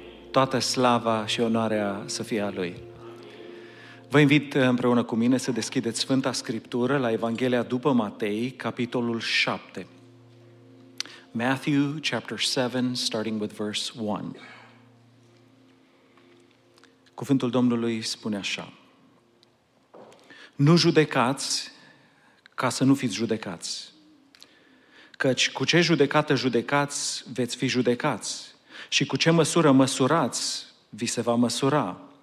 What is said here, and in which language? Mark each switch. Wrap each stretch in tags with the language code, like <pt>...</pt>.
<ro>Toată slava și onoarea să fie a Lui! Vă invit împreună cu mine să deschideți Sfânta Scriptură la Evanghelia după Matei, capitolul 7.</ro> <en>Matthew, chapter 7, starting with verse 1.</en> <ro>Cuvântul Domnului spune așa: Nu judecați ca să nu fiți judecați. Căci cu ce judecată judecați, veți fi judecați, și cu ce măsură măsurați, vi se va măsura.</ro>